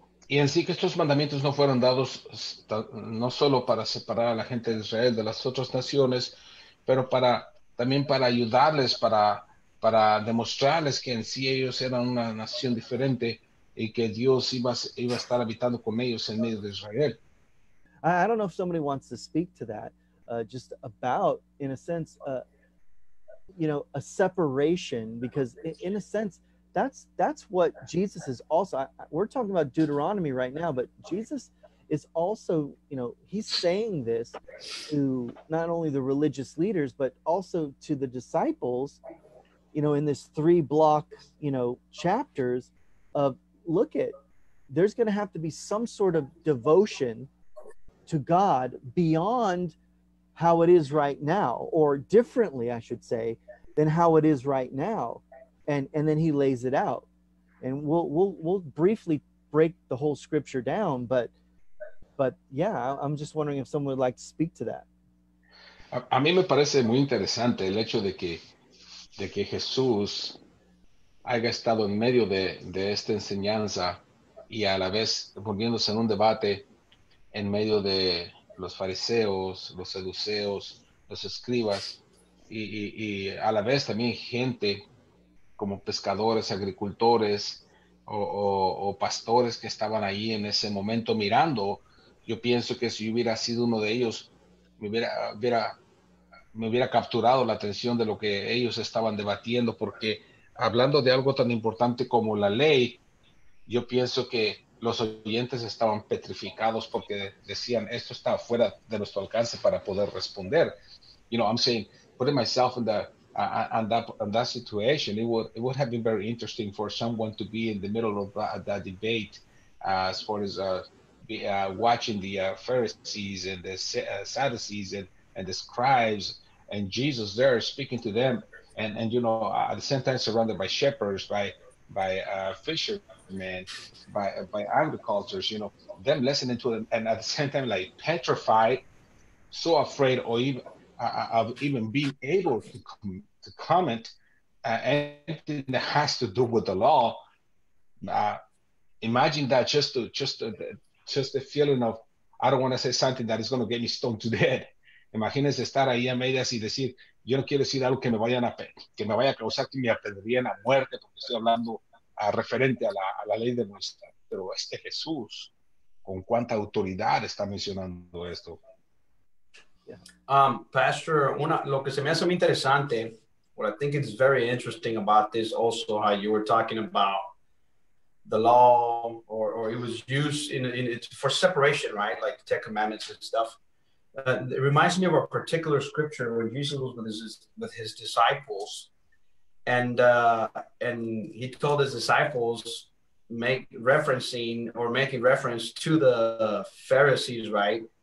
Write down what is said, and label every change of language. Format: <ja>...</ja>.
<es>Y en sí que estos mandamientos no fueron dados no solo para separar a la gente de Israel de las otras naciones, pero para también para ayudarles, para demostrarles que en sí ellos eran una nación diferente y que Dios iba a estar habitando con ellos en medio de Israel.</es> <en>I don't know if somebody wants to speak to that, just about, in a sense, you know, a separation, because in a sense, That's what Jesus is also, we're talking about Deuteronomy right now, but Jesus is also, you know, he's saying this to not only the religious leaders, but also to the disciples, you know, in this three block, you know, chapters of, look at, there's going to have to be some sort of devotion to God beyond how it is right now, or differently, I should say, than how it is right now. And then he lays it out, and we'll briefly break the whole scripture down, but yeah, I'm just wondering if someone would like to speak to that.</en> <es>A mí me parece muy interesante el hecho de que Jesús haya estado en medio de esta enseñanza y a la vez volviéndose en un debate en medio de los fariseos, los saduceos, los escribas y a la vez también gente como pescadores, agricultores o pastores que estaban ahí en ese momento mirando. Yo pienso que si yo hubiera sido uno de ellos, me hubiera capturado la atención de lo que ellos estaban debatiendo, porque hablando de algo tan importante como la ley, yo pienso que los oyentes estaban petrificados porque decían, esto está fuera de nuestro alcance para poder responder.</es> <en>You know, I'm saying, putting myself in the And that situation, it would have been very interesting for someone to be in the middle of that debate, as far as watching the Pharisees and the Sadducees and the scribes and Jesus there speaking to them, and you know, at the same time surrounded by shepherds, by fishermen, by agricultures, you know, them listening to them, and at the same time like petrified, so afraid, or even of even being able to comment anything that has to do with the law. Imagine that, just the feeling of, I don't want to say something that is going to get me stoned to death.</en> <es>Imagínense estar ahí a medias y decir, yo no quiero decir algo que me vaya a causar que me apedreen a muerte, porque estoy hablando referente a la ley de Moisés. Pero este Jesús, ¿con cuánta autoridad está mencionando esto? Yeah. Pastor, lo que se me hace muy interesante,</es> <en>What I think is very interesting about this also, how you were talking about the law, or it was used in it for separation, right? Like the Ten Commandments and stuff. It reminds me of a particular scripture where Jesus was with his disciples, and he told his disciples, making reference to the Pharisees, right?</en>